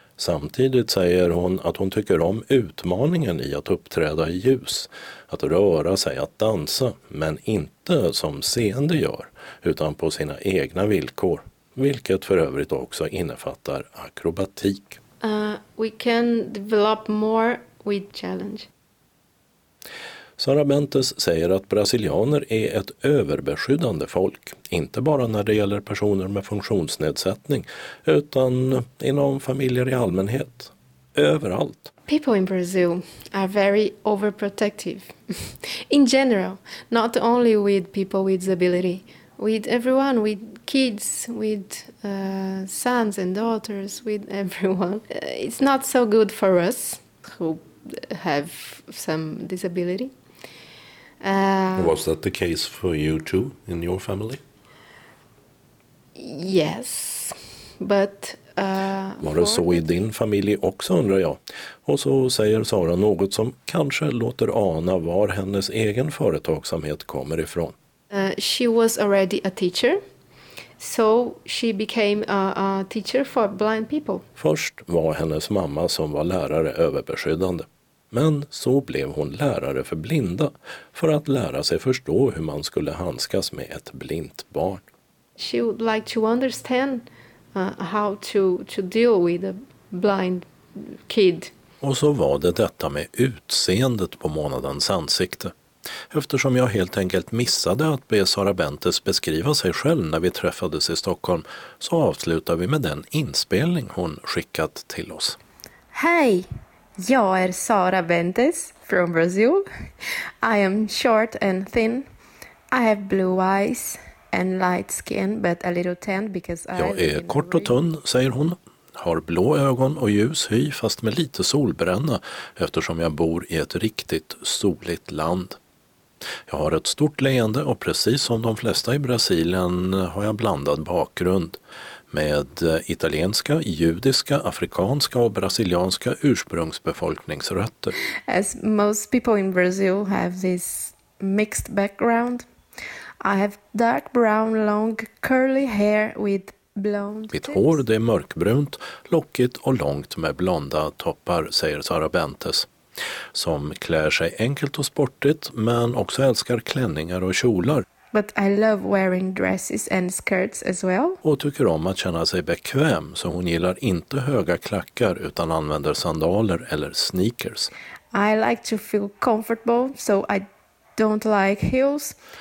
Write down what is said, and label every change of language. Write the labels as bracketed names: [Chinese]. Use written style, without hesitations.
[Swedish] Samtidigt säger hon att hon tycker om utmaningen i att uppträda i ljus, att röra sig, att dansa, men inte som seende gör, utan på sina egna villkor, vilket för övrigt också innefattar akrobatik. [English] We can develop more with challenge. [Swedish] Sara Bentes säger att brasilianer är ett överbeskyddande folk, inte bara när det gäller personer med funktionsnedsättning, utan inom familjer i allmänhet, överallt. [English] People in Brazil are very overprotective. In general, not only with people with disability, with everyone, with kids, with sons and daughters, with everyone. It's not so good for us who have some disability. Was that the case for you too in your family? Yes, but [Swedish] var det så i din familj också, undrar jag. Och så säger Sara något som kanske låter ana var hennes egen företagsamhet kommer ifrån. [English] She was already a teacher, so she became a teacher for blind people. [Swedish] Först var hennes mamma som var lärare överbeskyddande. Men så blev hon lärare för blinda för att lära sig förstå hur man skulle handskas med ett blint barn. [English] She would like to understand how to deal with a blind kid. [Swedish] Och så var det detta med utseendet på månadens ansikte. Eftersom jag helt enkelt missade att be Sara Bentes beskriva sig själv när vi träffades i Stockholm, så avslutar vi med den inspelning hon skickat till oss. Hej! Jag är Sara Bentes [English] from Brazil. I am short and thin. I have blue eyes and light skin, but a little tan because I. [Swedish] Jag är kort och tunn, säger hon. Har blå ögon och ljus hy, fast med lite solbränna, eftersom jag bor i ett riktigt soligt land. Jag har ett stort leende och precis som de flesta i Brasilien har jag blandad bakgrund. Med italienska, judiska, afrikanska och brasilianska ursprungsbefolkningsrötter. [English] As most people in Brazil have this mixed background, I have dark brown long curly hair with blonde tips. [Swedish] Mitt hår, det är mörkbrunt, lockigt och långt med blonda toppar, säger Sara Bentes. Som klär sig enkelt och sportigt, men också älskar klänningar och kjolar. [English] But I love wearing dresses and skirts as well. [Swedish] Och tycker om att känna sig bekväm, så hon gillar inte höga klackar utan använder sandaler eller sneakers. [English] I like to feel comfortable, so I don't like heels.